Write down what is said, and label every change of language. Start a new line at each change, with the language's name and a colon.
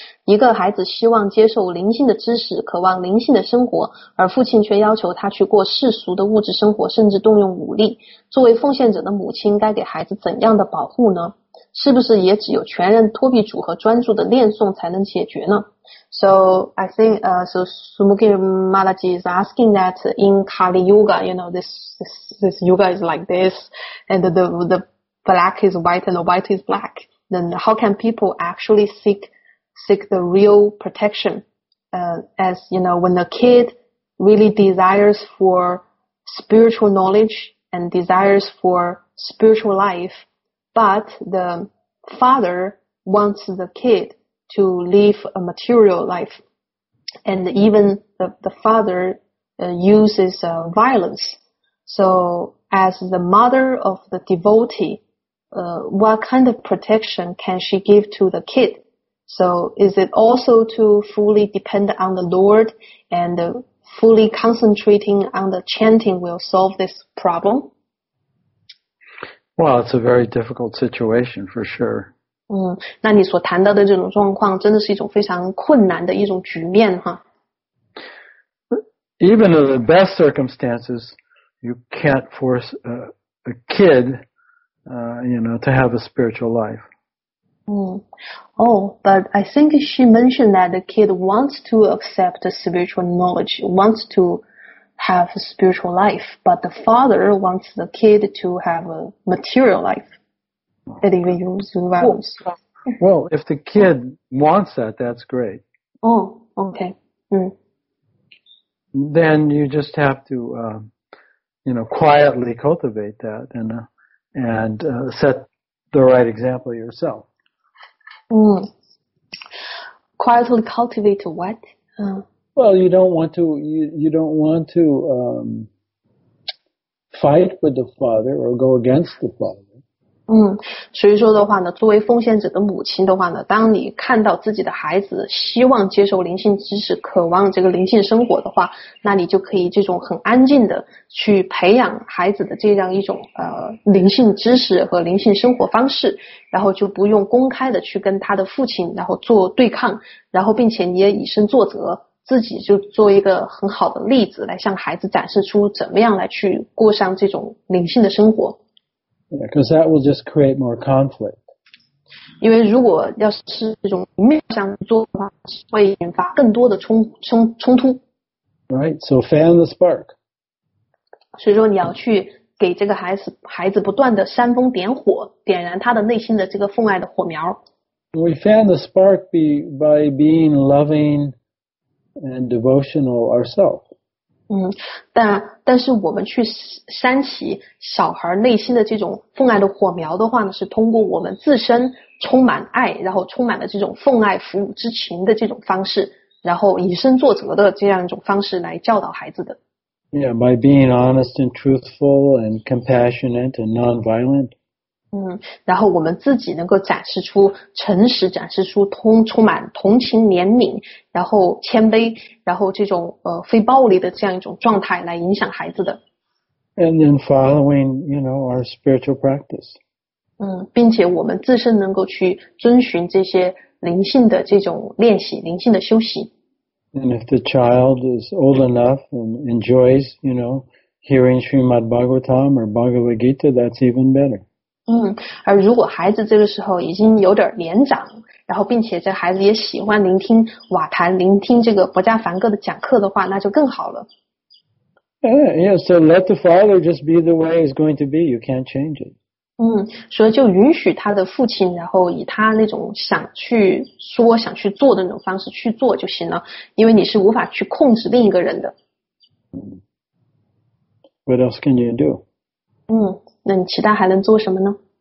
Chinese: 一个孩子希望接受灵性的知识，渴望灵性的生活，而父亲却要求他去过世俗的物质生活，甚至动用武力。作为奉献者的母亲，该给孩子怎样的保护呢？是不是也只有全人托庇主和专注的念诵才能解决呢？
English: So I think so Sumukhi Malaji is asking that in Kali Yuga, you know, this yoga is like this, and the black is white and the white is black. Then how can people actually seek the real protection? As you know, when a kid really desires for spiritual knowledge and desires for spiritual life, but the father wants the kid. To live a material life, and even the father uses violence. So, as the mother of the devotee, what kind of protection can she give to the kid? So, is it also to fully depend on the Lord and fully concentrating on the chanting will solve this problem? Well, it's a very difficult situation for sure.
Chinese: 那你所谈到的这种状况真的是一种非常困难的一种局面哈。
English: Even in the best circumstances, you can't force a kid, you know, to have a spiritual life. Oh, but I think she mentioned that the kid wants to accept the spiritual knowledge, wants to have a spiritual life, but the father wants the kid to have a material life. That even use violence. Well, if the kid wants that, that's great. Oh, okay. Then you just have to, you know, quietly cultivate that and set the right example yourself. Quietly cultivate what? Well, you don't want to fight with the father or go against the father.
Chinese: 所以说的话呢，作为奉献者的母亲的话呢，当你看到自己的孩子希望接受灵性知识，渴望这个灵性生活的话，那你就可以这种很安静的去培养孩子的这样一种灵性知识和灵性生活方式，然后就不用公开的去跟他的父亲然后做对抗，然后并且你也以身作则，自己就做一个很好的例子来向孩子展示出怎么样来去过上这种灵性的生活。
English: Yeah, because that will just create more conflict.
Chinese: 因为如果要是这种面向做的话，会引发更多的冲突。
English: Right, so fan the spark.
Chinese: 所以说你要去给这个孩子不断的煽风点火，点燃他的内心的这个父爱的火苗。
English: We fan the spark by being loving and devotional ourselves.
Chinese: 但是我们去煽起小孩内心的这种奉爱的火苗的话呢，是通过我们自身充满爱，然后充满了这种奉爱服务之情的这种方式，然后以身作则的这样一种方式来教导孩子的。
English: Yeah, by being honest and truthful and compassionate and non-violent.
Chinese: 然后我们自己能够展示出诚实，展示出充满同情怜悯，然后谦卑，然后这种非暴力的这样一种状态来影响孩子的。
English: And then following, you know, our spiritual practice.
Chinese: 并且我们自身能够去遵循这些灵性的这种练习，灵性的修习。
English: And if the child is old enough and enjoys, you know, hearing Srimad Bhagavatam or Bhagavad Gita, that's even better.
Chinese: 而如果孩子这个时候已经有点年长，然后并且这孩子也喜欢聆听瓦坛，聆听这个博加凡哥的讲课的话，那就更好了。
English: Yeah, so let the father just be the way it's going to be. You can't change it.
Chinese: 所以就允许他的父亲，然后以他那种想去说、想去做的那种方式去做就行了，因为你是无法去控制另一个人的。
English: What else can you do?
Chinese: 那你其他还能做什么呢？